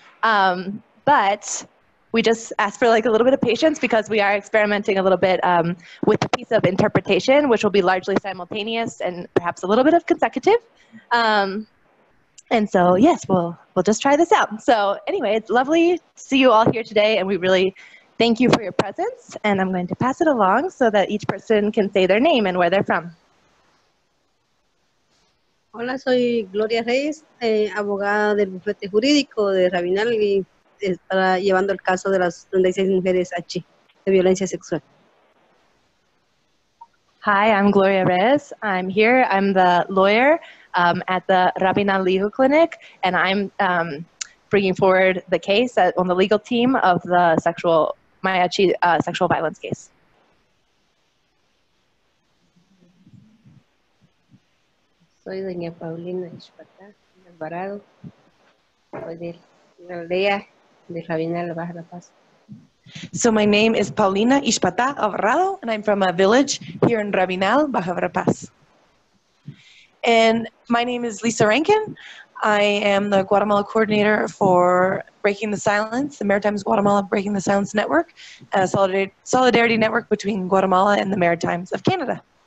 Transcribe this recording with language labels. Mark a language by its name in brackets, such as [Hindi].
[English] But we just ask for like a little bit of patience because we are experimenting a little bit with a piece of interpretation, which will be largely simultaneous and perhaps a little bit of consecutive. We'll just try this out. So anyway, it's lovely to see you all here today. And we really thank you for your presence, and I'm going to pass it along so that each person can say their name and where they're from. [Spanish] Hola, soy Gloria Reyes, abogada del bufete jurídico de Rabinal y estará llevando el caso de las 36 mujeres Achí de violencia sexual. [English] Hi, I'm Gloria Reyes. I'm here. I'm the lawyer at the Rabinal Legal Clinic, and I'm bringing forward the case on the legal team of the sexual violence case. [Spanish] Soy doña Paulina Ixpata Alvarado, soy de la aldea de Rabinal Baja La Paz. [English] So my name is Paulina Ixpata Alvarado, and I'm from a village here in Rabinal Baja La Paz. And my name is Lisa Rankin. I am the Guatemala coordinator for Breaking the Silence, the Maritimes Guatemala Breaking the Silence Network, a solidarity network between Guatemala and the Maritimes of Canada.